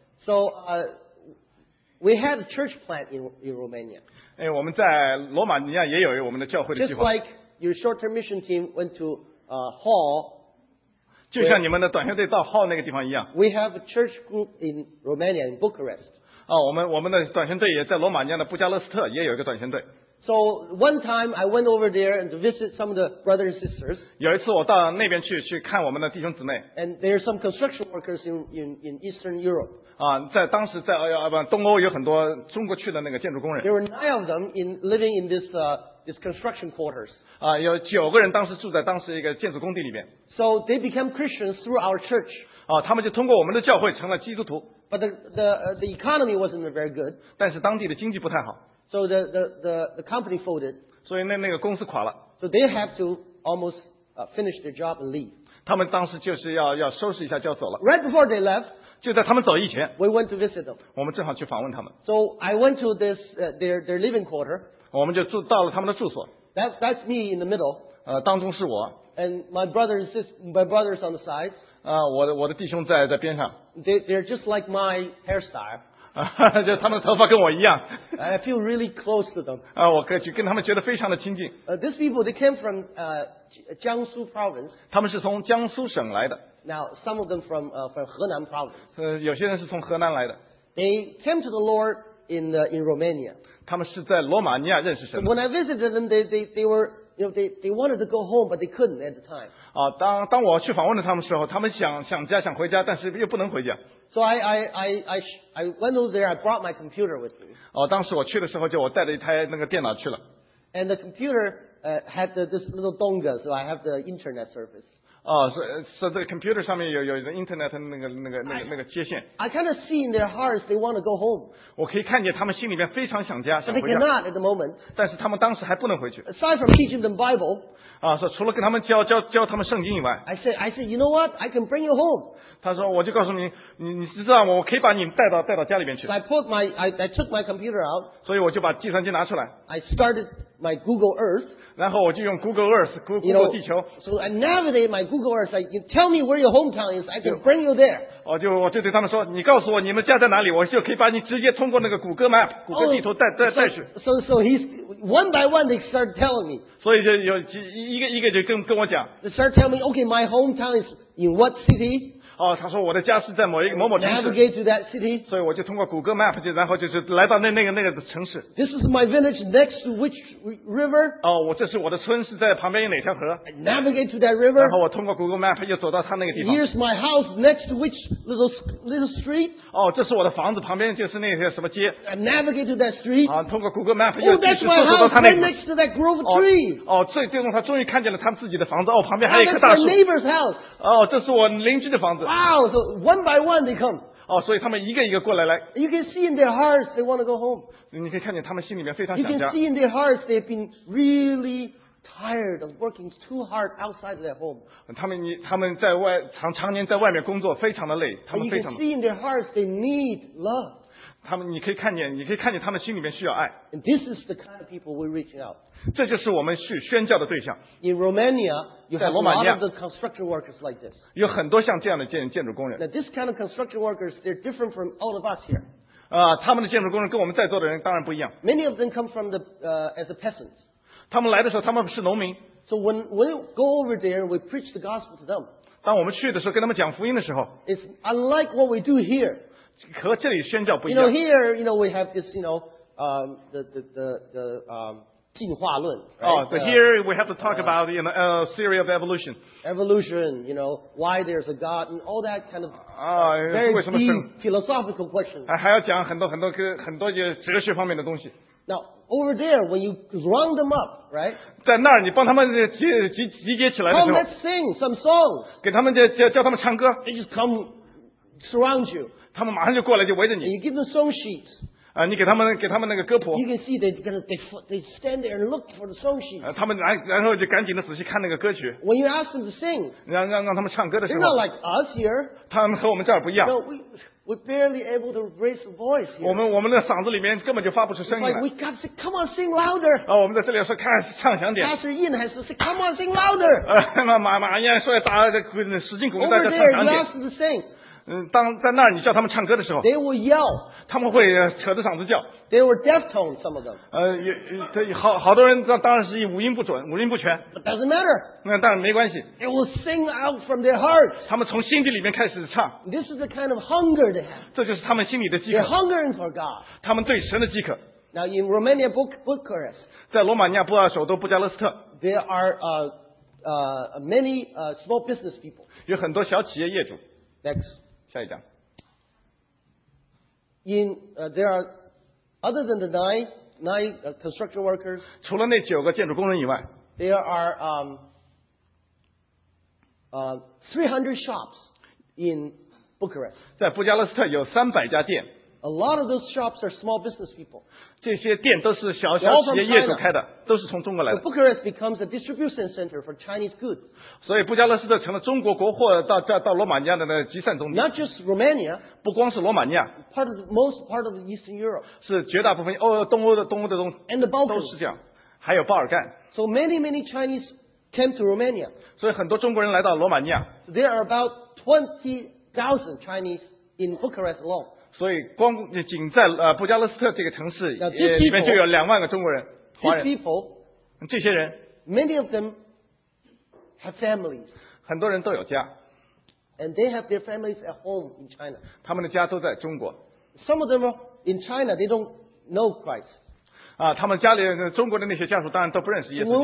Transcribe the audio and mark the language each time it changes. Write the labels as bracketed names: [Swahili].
[English] So we had a church plant in Romania. [Chinese] 我们在罗马尼亚也有我们的教会的计划。 [English] Just like your short-term mission team went to Hall. [Chinese] 就像你们的短宣队到Hall那个地方一样。 [English] We have a church group in Romania, in Bucharest. [Chinese] 我们的短宣队也在罗马尼亚的布加勒斯特也有一个短宣队。 [English] So one time I went over there and to visit some of the brothers and sisters. [Chinese] 有一次我到那边去看我们的弟兄姊妹。 [English] And there are some construction workers in Eastern Europe. [Chinese] 在东欧有很多中国去的那个建筑工人。 [English] There were 9 of them living in this construction quarters. [Chinese] 有9个人当时住在当时一个建筑工地里面。 [English] So they became Christians through our church. [Chinese] 他们就通过我们的教会成了基督徒。 [English] But the economy wasn't very good. [Chinese] 但是当地的经济不太好。 [English] So the company folded. [Chinese] 所以那个公司垮了。 [English] So they have to almost finish their job and leave. [Chinese] 他们当时就是要收拾一下就要走了。 [English] Right before they left, [Chinese] 就在他们走以前, [English] we went to visit them. [Chinese] 我们正好去访问他们。 [English] So I went to this their living quarter. [Chinese] 我们就到了他们的住所。 [English] That's me in the middle. [Chinese] 当中是我。 [English] And my brothers on the side. [Chinese] 我的弟兄在边上。 [English] They're just like my hairstyle. [Chinese] 就他们的头发跟我一样。 [English] I feel really close to them. [Chinese] 我跟他们觉得非常的亲近。 [English] These people, they came from Jiangsu province. [Chinese] 他们是从江苏省来的。 [English] Now, some of them from Henan province. [Chinese] 有些人是从河南来的。 [English] They came to the Lord in Romania. [Chinese] 他们是在罗马尼亚认识神的。 [English] So、when I visited them, they were, you know, they wanted to go home, but they couldn't at the time. [Chinese] 啊，当我去访问的他们时候，他们想家，想回家，但是又不能回家。 [English] So I went over there. I brought my computer with me. [Chinese] 哦，当时我去的时候，就我带了一台那个电脑去了。 [English] And the computer had this little dongle, so I have the internet service. [Chinese] 哦，是这个 computer 上面有 internet 那个接线。 [English] I kind of see in their hearts they want to go home. [Chinese] 我可以看见他们心里面非常想家，想回家。 [English] But they cannot at the moment. [Chinese] 但是他们当时还不能回去。 [English] Aside from teaching them Bible. [Chinese] 啊，说除了跟他们教他们圣经以外。 [English] I said, you know what? I can bring you home. [Chinese] 他说，我就告诉你，你是这样，我可以把你带到家里面去。 [English] So、I took my computer out. [Chinese] 所以我就把计算机拿出来。 [English] I started my Google Earth. [Chinese] 然后我就用 Google Earth, Google [English] you know, [Chinese] 地球。 [English] So I navigate my Google Earth. I tell me where your hometown is. I can bring you there. [Chinese] 我就对他们说，你告诉我你们家在哪里，我就可以把你直接通过那个谷歌 Map, 谷歌地图带去。 [English] So he's one by one they start telling me. [Chinese] 所以就有一个就跟我讲。 [English] They start telling me, okay, my hometown is in what city? [Chinese] 哦，他说我的家是在某一个某某城市。 [English] Navigate to that city. [Chinese] 所以我就通过谷歌 Map 然后就是来到那个的城市。 [English] This is my village next to which river? [Chinese] 哦，这是我的村是在旁边有哪条河。 [English] I navigate to that river. [Chinese] 然后我通过 Google Map 又走到他那个地方。 [English] Here's my house next to which little street? [Chinese] 哦，这是我的房子旁边就是那些什么街。 [English] I navigate to that street. [Chinese] 啊，通过 Google Map 又继续走到他那个。 [English] Oh, that's my house next to that grove tree. [Chinese] 哦，最终他终于看见了他们自己的房子。哦，旁边还有一棵大树。 [English] That's my neighbor's house. [Chinese] 哦，这是我邻居的房子。 [English] Wow, so one by one they come. [Chinese] 哦，所以他们一个一个过来。 [English] You can see in their hearts they want to go home. [Chinese] 你可以看见他们心里面非常想家。 [English] You can see in their hearts they've been really tired of working too hard outside their home. [Chinese] 他们在外常年在外面工作，非常的累，他们非常。 [English] You can see in their hearts they need love. [Chinese] 你可以看见他们心里面需要爱。 [English] And this is the kind of people we're reaching out. [Chinese] 这就是我们去宣教的对象。 [English] In Romania, you have [Chinese] 在罗马尼亚 [English] a lot of the construction workers like this. [Chinese] 有很多像这样的建筑工人。 [English] Now this kind of construction workers, they're different from all of us here. [Chinese] 他们的建筑工人跟我们在座的人当然不一样。 [English] Many of them come from the, as a peasants. [Chinese] 他们来的时候他们是农民。 [English] So when we go over there, we preach the gospel to them. [Chinese] 当我们去的时候跟他们讲福音的时候。 [English] It's unlike what we do here. [Chinese] 和这里宣教不一样。 [English] You know, here, you know, we have this, you know, the 进化论。 Right? Oh, here we have to talk about, you know, theory of evolution. Evolution, you know, why there's a God and all that kind of very deep philosophical questions. [Chinese] 还要讲很多很多很多哲学方面的东西。 [English] Now, over there, when you round them up, right? [Chinese] 在那儿你帮他们集结起来的时候。 [English] Come, let's sing some songs. [Chinese] 给他们叫他们唱歌。 [English] They just come surround you. [Chinese] 他们马上就过来，就围着你。 [English] And you give them song sheets. [Chinese] 你给他们那个歌谱。 [English] You can see they stand there and look for the song sheets. [Chinese] 他们然后就赶紧的仔细看那个歌曲。 [English] When you ask them to sing, [Chinese] 让他们唱歌的时候。 [English] They're not like us here. [Chinese] 他们和我们这儿不一样。 [English] No, we barely able to raise a voice here. [Chinese] 我们的嗓子里面根本就发不出声音来。 [English] Like we got to say, come on, sing louder. [Chinese] 我们在这里说，看唱响点。 [English] Pastor Ian has to say, come on, sing louder. [Chinese] 马燕说要打使劲鼓大家唱响点。 [English] Over there, you ask them to sing. [Chinese] 当在那儿你叫他们唱歌的时候 [English] they will yell. [Chinese] 他们会扯着嗓子叫 [English] they were deaf-toned, some of them. [Chinese] 好多人当然是五音不准五音不全 [English] but doesn't matter. [Chinese] 那当然没关系 [English] they will sing out from their hearts. [Chinese] 他们从心底里面开始唱 [English] this is the kind of hunger they have. [Chinese] 这就是他们心里的饥渴 [English] they're hungering for God. [Chinese] 他们对神的饥渴 [English] now in Romania Bucharest [Chinese] 在罗马尼亚布尔首都布加勒斯特 [English] there are many small business people. [Chinese] 有很多小企业业主 [English] next. [Chinese] 下一章。 [English] In there are other than the nine construction workers. [Chinese] 除了那九个建筑工人以外 [English] ，there are 300 shops in Bucharest. [Chinese] 在布加勒斯特有三百家店。 [English] A lot of those shops are small business people. [Chinese] 这些店都是小企业业主开的，都是从中国来的。 [English] So Bucharest becomes a distribution center for Chinese goods. [Chinese] 所以布加勒斯特成了中国国货到罗马尼亚的那集散中心。 [English] Not just Romania. [Chinese] 不光是罗马尼亚。 [English] Most part of Eastern Europe. [Chinese] 是绝大部分东欧的东。 [English] And the Balkans. [Chinese] 都是这样，还有巴尔干。 [English] So many Chinese came to Romania. [Chinese] 所以很多中国人来到罗马尼亚。 [English] There are about 20,000 Chinese in Bucharest alone. [Chinese] 所以光仅在布加勒斯特这个城市里面就有两万个中国人华人 [English] these people, [Chinese] 这些人 [English] many of them have families, [Chinese] 很多人都有家 [English] and they have their families at home in China. [Chinese] 他们的家都在中国 [English] some of them are in China, they don't know Christ. [Chinese] 啊，他们家里中国的那些家属当然都不认识耶稣基督。